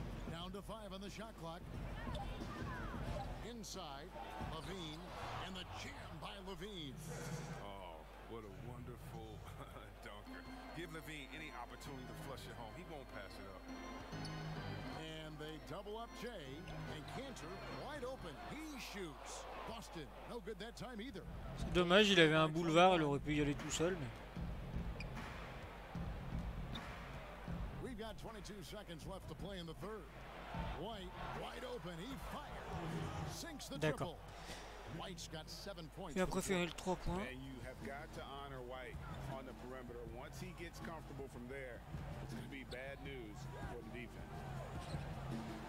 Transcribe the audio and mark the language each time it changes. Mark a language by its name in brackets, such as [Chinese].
[English] Down to 5 on the shot clock. Inside, Levine, and the jam by Levine. Oh, what a wonderful dunker. Give Levine any opportunity to flush it home. He won't pass it up. And they double up Jay, and Kanter wide open. He shoots. Boston, no good that time either. [French] C'est dommage, il avait un boulevard, il aurait pu y aller tout seul, mais... [English] We've got 22 seconds left to play in the third. White, wide open, he fired. Sinks the [French] D'accord. [English] Triple. White's got 7 points. [French] Il a préféré le 3 points. [English] And you have got to honor White on the perimeter. Once he gets comfortable from there, it's going to be bad news for the defense.